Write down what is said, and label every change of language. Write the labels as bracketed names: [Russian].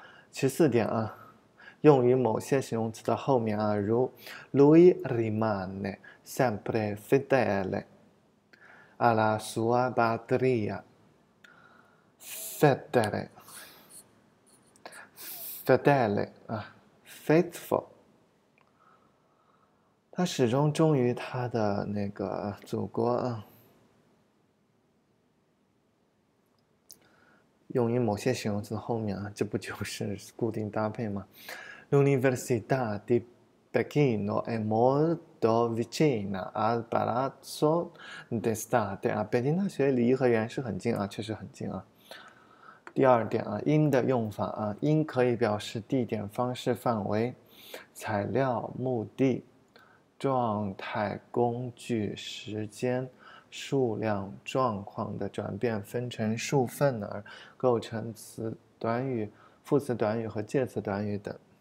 [Chinese] 其次点啊，用于某些形容词的后面啊，如 [Italian] lui rimane sempre fedele alla sua patria， [Chinese] fedele，fedele 啊，faithful。他始终忠于他的那个祖国啊，用于某些形容词后面啊，这不就是固定搭配吗？ [Italian] L'università di Pechino è molto vicina al palazzo d'estate. A Pechino c'è l'Yuhe Yuan, è molto vicina. [Chinese] 第二点啊，因的用法啊，因可以表示地点、方式、范围、材料、目的、状态、工具、时间、数量、状况的转变，分成数分而构成词短语、副词短语和介词短语等。